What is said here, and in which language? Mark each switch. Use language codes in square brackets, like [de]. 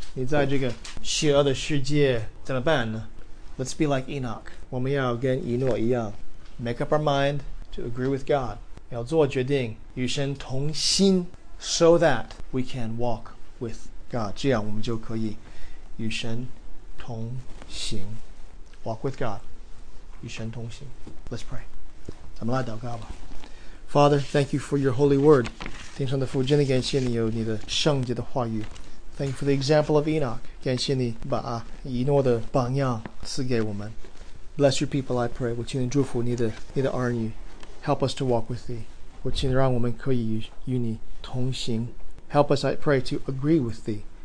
[zh] 你在这个邪恶的世界怎么办呢? [en] Let's be like Enoch. [zh] 我们要跟以诺一样。 [en] Make up our mind to agree with God. [zh] 要做决定与神同心 [en] so that we can walk with God. [zh] 这样我们就可以与神同行。 [en] Walk with God. [zh] 与神同行。 [en] Let's pray. [zh] 咱们来祷告吧。 [en] Father, thank you for your holy word. [zh] 天上的父，真的感谢你有你的圣洁的话语。 [en] Thank you for the example of Enoch. [zh] 感谢你把以诺的榜样赐给我们。 [en] Bless your people, I pray. [zh] 我请你祝福你的儿女。 [en] Help us to walk with thee. [zh] 我请让我们可以与你同行。 [en] Help us, I pray, to agree with thee.